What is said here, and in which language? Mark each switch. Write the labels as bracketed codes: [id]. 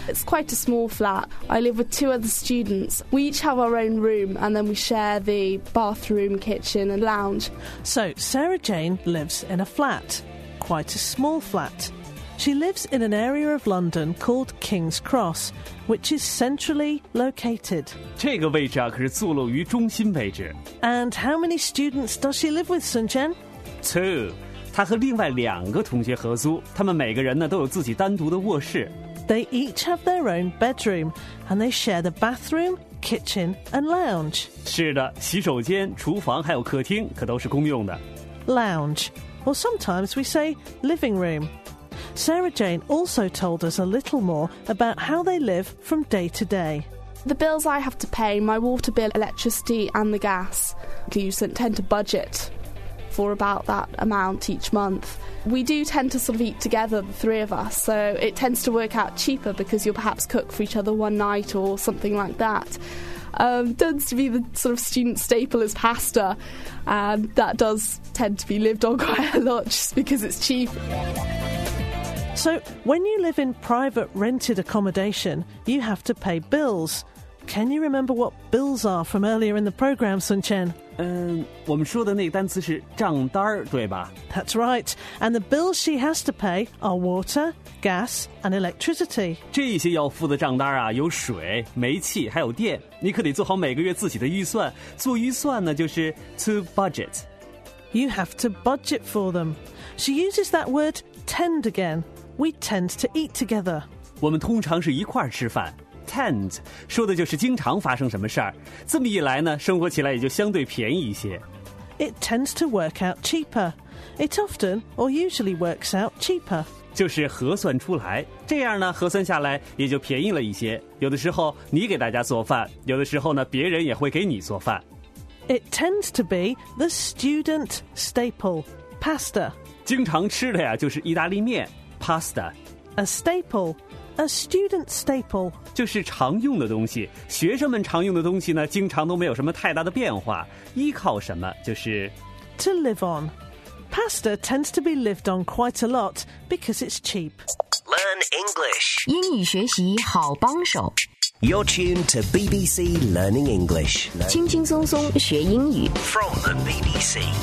[en] It's quite a small flat. I live with two other students. We each have our own room, and then we share the bathroom, kitchen and lounge. So Sarah Jane lives in a flat, quite a small flat. She lives in an area of London called King's Cross, which is centrally located. [zh] 这个位置啊，可是坐落于中心位置。 [en] And how many students does she live with, Sun Chen? Two. [zh] 她和另外两个同学合租，他们每个人呢都有自己单独的卧室。 [en] They each have their own bedroom, and they share the bathroom, kitchen and lounge. [zh] 是的，洗手间、厨房还有客厅可都是公用的。 [en] Lounge, or sometimes we say living room. Sarah Jane also told us a little more about how they live from day to day. The bills I have to pay, my water bill, electricity and the gas, you tend to budget for about that amount each month. We do tend to sort of eat together, the three of us, so it tends to work out cheaper because you'll perhaps cook for each other one night or something like that. Tends to be the sort of student staple is pasta, and that does tend to be lived on quite a lot just because it's cheap. So when you live in private rented accommodation, you have to pay bills. Can you remember what bills are from earlier in the programme, Sun Chen? [zh] 我们说的那个单词是账单，对吧？ [en] That's right. And the bills she has to pay are water, gas and electricity. [zh] 这些要付的账单啊，有水、煤气，还有电。你可得做好每个月自己的预算。做预算呢，就是 to budget. [en] You have to budget for them. She uses that word tend again. We tend to eat together. [zh] 我们通常是一块吃饭。 Tend 说的就是经常发生什么事儿，这么一来呢，生活起来也就相对便宜一些。 [en] It tends to work out cheaper. It often or usually works out cheaper. [zh] 就是核算出来，这样呢，核算下来也就便宜了一些。有的时候你给大家做饭，有的时候呢，别人也会给你做饭。 [en] It tends to be the student staple, pasta. [zh] 经常吃的呀，就是意大利面 ，pasta. [en] A staple. A student staple. [zh] 就是常用的东西。学生们常用的东西呢，经常都没有什么太大的变化。依靠什么，就是 [en] To live on. Pasta tends to be lived on quite a lot because it's cheap. Learn English. [zh] 英语学习好帮手。 [en] You're tuned to BBC Learning English. [zh] 轻轻松松学英语。 [en] From the BBC.